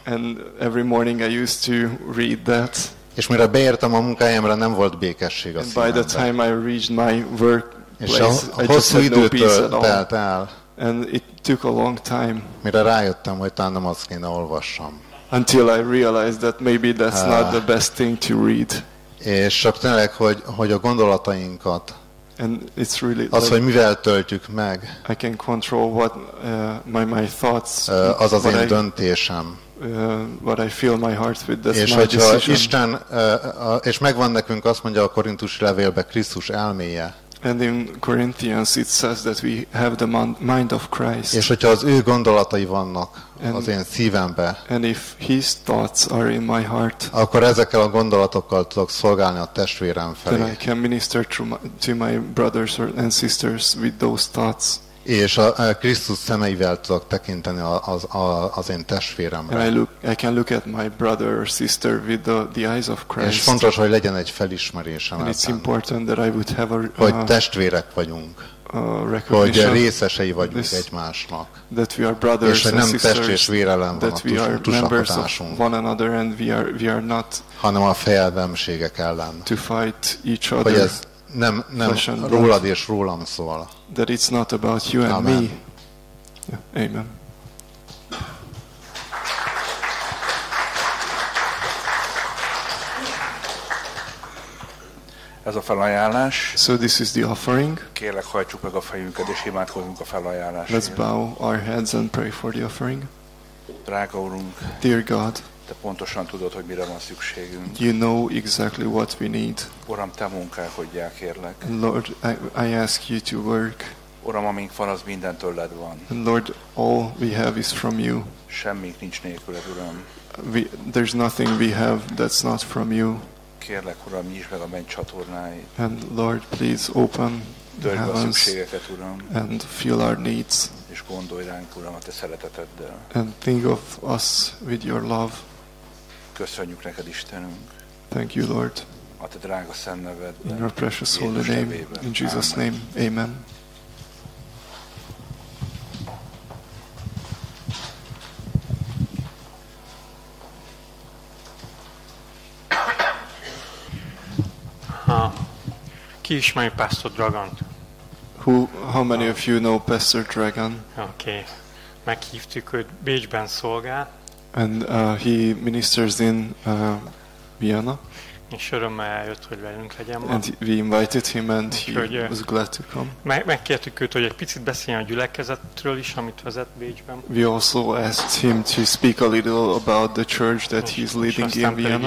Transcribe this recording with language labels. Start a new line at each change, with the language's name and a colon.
English: And every morning I used to read that.
Hungarian: És mire beértem a munkahelyemre, nem volt békesség a szívemben.
English: By the time I reached my work place,
Hungarian: és hosszú időtől telt el.
English: And it took a long time.
Hungarian: Mire rájöttem, hogy talán nem azt kéne olvassam.
English: Until I realized that maybe that's not the best thing to read.
Hungarian: És csak tényleg, hogy a gondolatainkat.
English: And it's really
Hungarian: az, hogy mivel töltjük meg.
English: I can control what my thoughts.
Hungarian: Az az én döntésem.
English: What I feel my heart with this.
Hungarian: És hogyha Isten és megvan nekünk, azt mondja a Korintusi levélbe, Krisztus elméje.
English: And in Corinthians it says that we have the mind of Christ.
Hungarian: És hogyha az ő gondolatai vannak az én szívembe.
English: And if his thoughts are in my heart.
Hungarian: Akkor ezekkel a gondolatokkal tudok szolgálni a testvérem felé.
English: Then I can minister to my brothers and sisters with those thoughts.
Hungarian: És a Krisztus szemeivel tudok tekinteni az én testvéremre.
English: And I can look at my brother or sister with the eyes of Christ.
Hungarian: És fontos, hogy legyen egy felismerésem.
English: And it's important that I would have
Hungarian: hogy testvérek vagyunk. Hogy részesei vagyunk egymásnak.
English: That we are brothers
Hungarian: és hogy nem test és vér ellen van a tusakodásunk.
English: One another and we are not
Hungarian: hanem a fejedelmségek ellen.
English: To fight each other.
Hungarian: Nem rólad és rólam szól.
English: That it's not about you and
Hungarian: Amen.
English: Me. Yeah. Amen.
Hungarian: Ez a felajánlás.
English: So this is the offering.
Hungarian: Kérlek, hajtsuk meg a fejünket és imádkozzunk a felajánlásért.
English: Let's bow our heads and pray for the offering.
Hungarian: Drága Urunk.
English: Dear God.
Hungarian: Te pontosan tudod, hogy mire van szükségünk.
English: You know exactly what we need.
Hungarian: Uram, te munkálkodjál, kérlek.
English: Lord, I ask you to work.
Hungarian: Uram, amink van, az minden tőled van.
English: And Lord, all we have is from you.
Hungarian: Semmink nincs nélküled, Uram.
English: There's nothing we have that's not from you.
Hungarian: Kérlek, Uram, nyisd meg a menny csatornáit.
English: And Lord, please open Dörg the heavens.
Hungarian: Töltsd be a szükségeket, Uram.
English: And fill our needs.
Hungarian: És gondolj ránk, Uram, a te szereteteddel.
English: And think of us with your love.
Hungarian: Köszönjük neked, Istenünk.
English: Thank you, Lord.
Hungarian: A te drága szent nevedben.
English: In your precious holy name. In Jesus' name. Amen.
Hungarian: Ki ismeri Pastor Dragont?
English: How many of you know Pastor Dragon? Okay.
Hungarian: Meghívtuk, hogy Bécsben szolgál.
English: And he ministers in Vienna.
Hungarian: És örömmel eljött, hogy velünk legyen.
English: And we invited him and he was glad to come.
Hungarian: Megkértük őt, hogy egy picit beszéljen a gyülekezetről is, amit vezet Bécsben.
English: We also asked him to speak a little about the church that he's leading in Vienna.